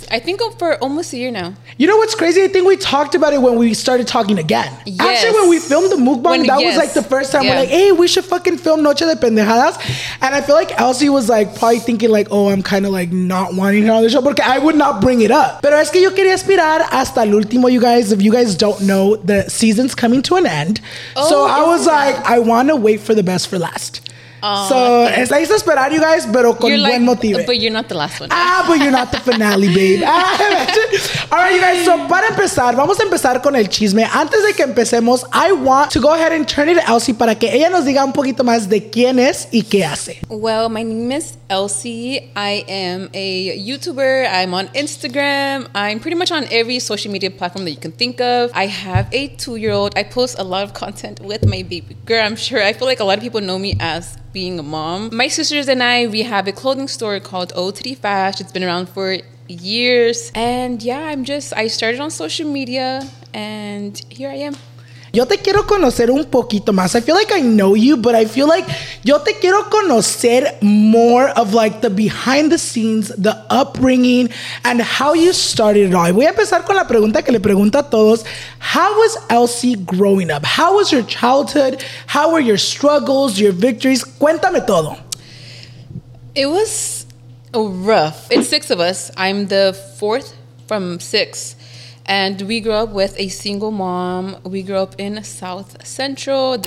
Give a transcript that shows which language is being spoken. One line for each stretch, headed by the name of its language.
English: I think for almost a year now. You know what's crazy? I think we talked about it when we started talking again. Yes. Actually, when we filmed the mukbang, was like the first time. Yeah. We're like, hey, we should fucking film Noche de Pendejadas. And I feel like Elsie was like probably thinking like, oh, I'm kind of like not wanting her on the show because I would not bring it up.
Spanish: Pero es que yo quería aspirar hasta el último,
English: you guys. If you guys don't know, the season's coming to an end. Oh, so I was like, I want to wait for the best for last.
Spanish: So, es la hice esperar,
English: you guys,
Spanish: pero con buen motivo.
English: But you're not the last one. Ah, but you're not the finale, babe. All right, you guys, so
Spanish: para empezar, vamos a empezar con el chisme. Antes de que empecemos,
English: I want to go ahead and turn it to
Spanish: Elsie para que ella nos diga un poquito más de quién es y qué hace.
English: Well, my name is Elsie. I am a YouTuber. I'm on Instagram. I'm pretty much on every social media platform that you can think of. I have a 2-year-old. I post a lot of content with my baby girl, I'm sure. I feel like a lot of people know me as being a mom. My sisters and I, we have a clothing store called O3 Fash. It's been around for years. And yeah, I started on social media and here I am.
Spanish: Yo te quiero conocer un poquito más.
English: I feel like I know you, but I feel like
Spanish: yo te quiero conocer
English: more of like the behind the scenes, the upbringing, and how you started it all.
Spanish: Voy a empezar con la pregunta que le pregunto a todos.
English: How was Elsie growing up? How was your childhood? How were your struggles, your victories?
Spanish: Cuéntame todo.
English: It was rough. It's 6 of us. I'm the 4th from 6. And we grew up with a single mom. We grew up in South Central.